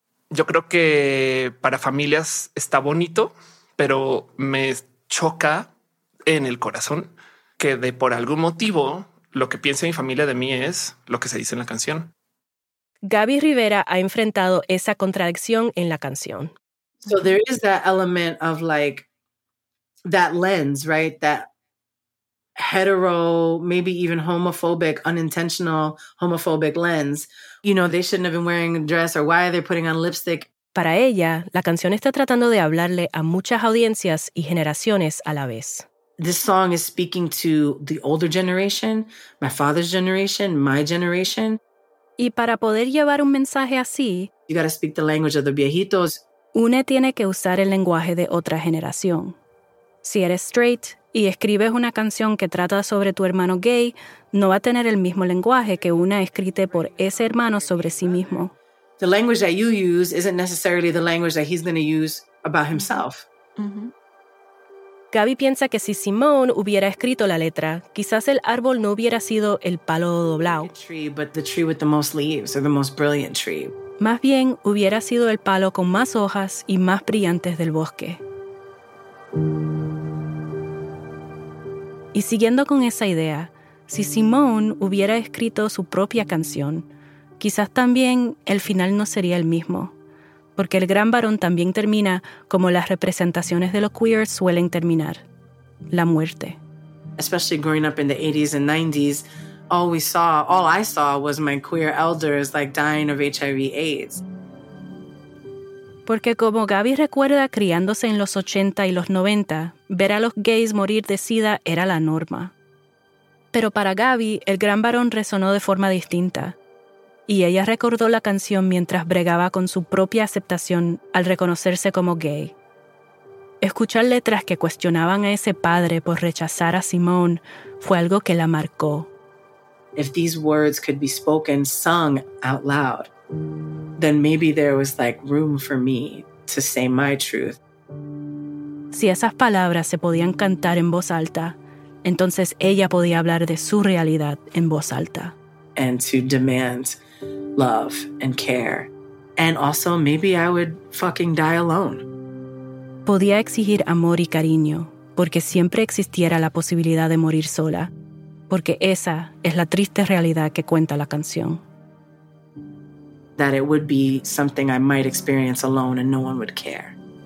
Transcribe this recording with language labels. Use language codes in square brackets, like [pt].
[es] Yo creo que para familias está bonito, pero me choca en el corazón que de por algún motivo lo que piensa mi familia de mí es lo que se dice en la canción. Gaby Rivera ha enfrentado esa contradicción en la canción. [en] So there is that element of like that lens, right? That hetero, maybe even homophobic, unintentional homophobic lens. You know, they shouldn't have been wearing a dress or why they're putting on lipstick. [es] Para ella, la canción está tratando de hablarle a muchas audiencias y generaciones a la vez. [en] This song is speaking to the older generation, my father's generation, my generation. [es] Y para poder llevar un mensaje así, [en] you gotta speak the language of the viejitos. [es] Une tiene que usar el lenguaje de otra generación. Si eres straight y escribes una canción que trata sobre tu hermano gay, no va a tener el mismo lenguaje que una escrita por ese hermano sobre sí mismo. [en] The language that you use isn't necessarily the language that he's going to use about himself. Mm-hmm. [es] Gaby piensa que si Simón hubiera escrito la letra, quizás el árbol no hubiera sido el palo doblado. Más bien, hubiera sido el palo con más hojas y más brillantes del bosque. Y siguiendo con esa idea, si Simón hubiera escrito su propia canción, quizás también el final no sería el mismo. Porque el gran varón también termina como las representaciones de los queer suelen terminar, la muerte. [en] Especially growing up in the 80s and 90s, all I saw was my queer elders like dying of HIV/AIDS. [es] Porque como Gaby recuerda criándose en los 80 y los 90, ver a los gays morir de SIDA era la norma. Pero para Gaby, el gran varón resonó de forma distinta. Y ella recordó la canción mientras bregaba con su propia aceptación al reconocerse como gay. Escuchar letras que cuestionaban a ese padre por rechazar a Simón fue algo que la marcó. [en] If these words could be spoken, sung out loud, then maybe there was like room for me to say my truth. [es] Si esas palabras se podían cantar en voz alta, entonces ella podía hablar de su realidad en voz alta. [en] And to demand love and care. And also, maybe I would fucking die alone. [es] Podía exigir amor y cariño, porque siempre existiera la posibilidad de morir sola, porque esa es la triste realidad que cuenta la canción. [en] That it would be something I might experience alone and no one would care.